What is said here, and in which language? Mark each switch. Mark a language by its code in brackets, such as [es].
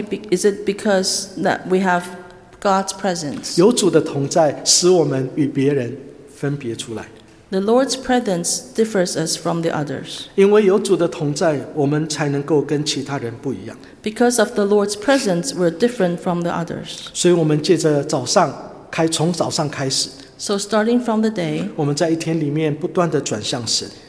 [en] Is it because that we have God's presence? [zh] 有主的同在使我们与别人分别出来。 [en] The Lord's presence differs us from the others. [zh] 因为有主的同在，我们才能够跟其他人不一样。 [en] Because of the Lord's presence, we're different from the others. [zh] 所以我们借着从早上开始。 [en] So starting from the day, [zh] 我们在一天里面不断地转向神。